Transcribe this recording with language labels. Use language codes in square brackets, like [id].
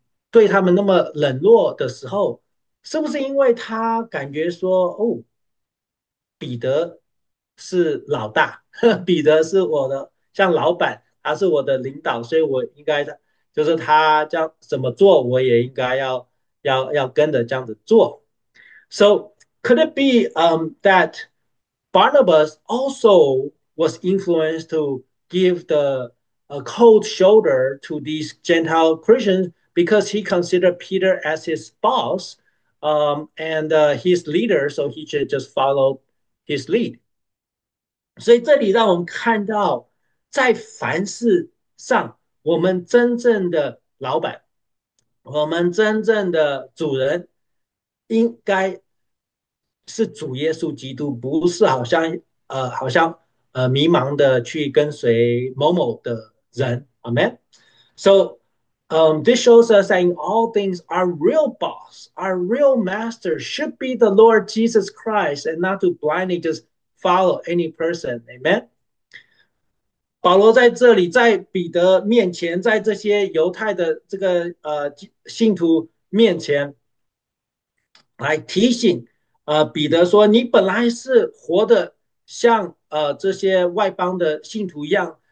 [zh] 对他们那么冷落的时候，是不是因为他感觉说，哦，彼得是老大，彼得是我的像老板，他是我的领导，所以我应该的，就是他这样怎么做，我也应该要跟着这样子做。 [en] So could it be that Barnabas also was influenced to give a cold shoulder to these Gentile Christians because he considered Peter as his boss, and his leader, so he should just follow his lead. [zh] 所以这里让我们看到，在凡事上，我们真正的老板，我们真正的主人，应该是主耶稣基督，不是好像迷茫的去跟随某某的人，Amen. [en] So, this shows us that in all things, our real boss, our real master should be the Lord Jesus Christ, and not to blindly just follow any person, Amen. [zh] 保罗在这里，在彼得面前，在这些犹太的这个信徒面前，来提醒彼得说，你本来是活得像这些外邦的信徒一样。